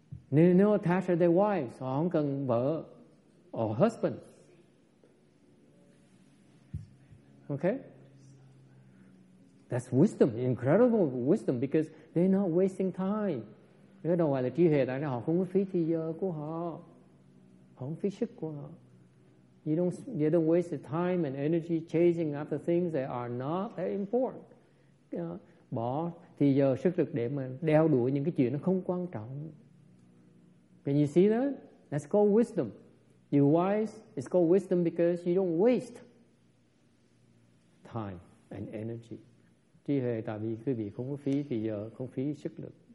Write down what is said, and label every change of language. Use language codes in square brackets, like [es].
[en] They're not attached to their wives. [vi] Họ không cần vợ [en] or husband. Okay? That's wisdom. Incredible wisdom because they're not wasting time. [vi] Cái đầu gọi là trí huệ, tại sao họ không có phí thời giờ của họ, không phí sức của họ. [en] You don't waste the time and energy chasing after things that are not that important. [vi] Bỏ thì giờ sức lực để mà đeo đuổi những cái chuyện nó không quan trọng. [en] Can you see that? That's called wisdom. You're wise. It's called wisdom because you don't waste time and energy. [vi] Trí huệ tại vì quý vị không có phí thời giờ, không phí sức lực.